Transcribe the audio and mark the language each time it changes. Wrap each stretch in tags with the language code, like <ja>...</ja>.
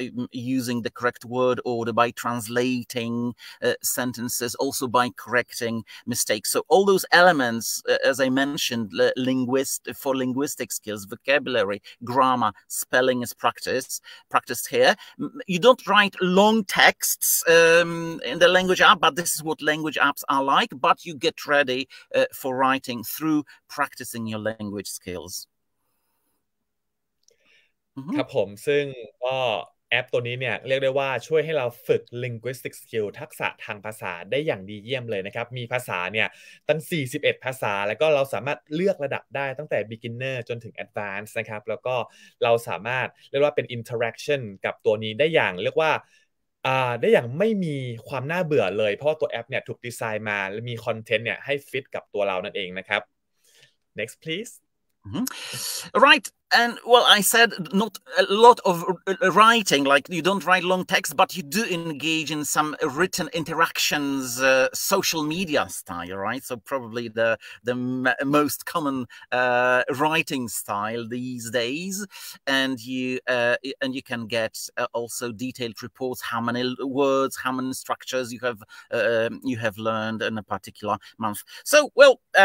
<en>using the correct word order by translating sentences also by correcting mistakes so all those elements as I mentioned for linguistic skills vocabulary grammar spelling is practiced here you don't write long texts in the language app but this is what language apps are like but you get ready for writing through practicing your language skills</en> <th>ครับผมซึ่งก็แอปตัวนี้เนี่ยเรียกได้ว่าช่วยให้เราฝึก linguistic skill ทักษะทางภาษาได้อย่างดีเยี่ยมเลยนะครับมีภาษาเนี่ยตั้ง41ภาษาแล้วก็เราสามารถเลือกระดับได้ตั้งแต่ beginner จนถึง advanced นะครับแล้วก็เราสามารถเรียกว่าเป็น interaction กับตัวนี้ได้อย่างเรียกว่าได้อย่างไม่มีความน่าเบื่อเลยเพราะว่าตัวแอปเนี่ยถูกดีไซน์มาและมีคอนเทนต์เนี่ยให้ฟิตกับตัวเรานั่นเองนะครับ</th> <en>Next please Right and well I said not a lot of writing like you don't write long texts but you do engage in some written interactions social media style right so probably the most common writing style these days and you can get also detailed reports how many words how many structures you have learned in a particular month so well</en>